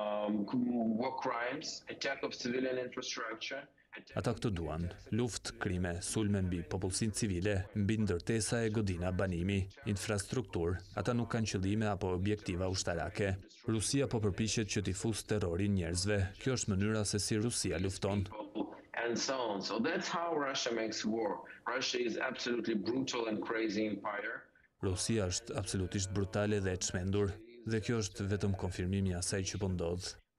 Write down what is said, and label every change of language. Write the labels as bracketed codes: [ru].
[en] War crimes, attack of civilian infrastructure. [sq] Ata këtë duan, luft, krime, sulme mbi popullsinë civile, mbi ndërtesa e godina, banimi, infrastruktur, ata nuk kanë qëllime apo objektiva ushtarake. Rusia po përpiqet që t'i fusë terrorin njerëzve, kjo është mënyra se si Rusia lufton. [en] So that's how Russia makes war. Russia is absolutely brutal and crazy empire. [sq] Rusia është absolutisht brutale dhe e çmendur, dhe kjo është vetëm konfirmimi asaj që po ndodh.